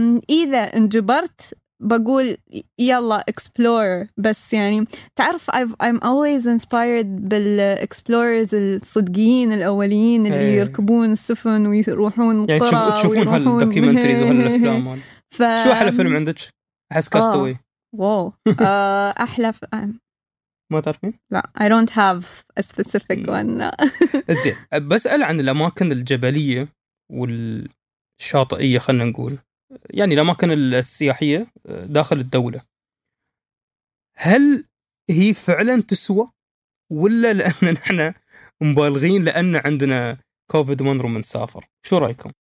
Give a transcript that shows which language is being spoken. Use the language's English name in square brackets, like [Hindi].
[Arabic] إذا انجبرت بقول يلا explore بس يعني تعرف [English] I'm always inspired [Arabic] بالexplorers الصدقيين الأوليين اللي يركبون السفن ويروحون يعني القرى تشوفون هالدوكيمنتريز وهالأفلام شو أحلى فيلم عندك؟ أحس كاستوي واو أحلى فيلم ما تعرفين؟ [English] لا I don't have a specific one [Arabic] زين بسأل عن الأماكن الجبلية والشاطئية خلنا نقول يعني الأماكن السياحية داخل الدولة هل هي فعلا تسوى ولا لأن نحن مبالغين لأن عندنا كوفيد ما نروح نسافر شو رأيكم؟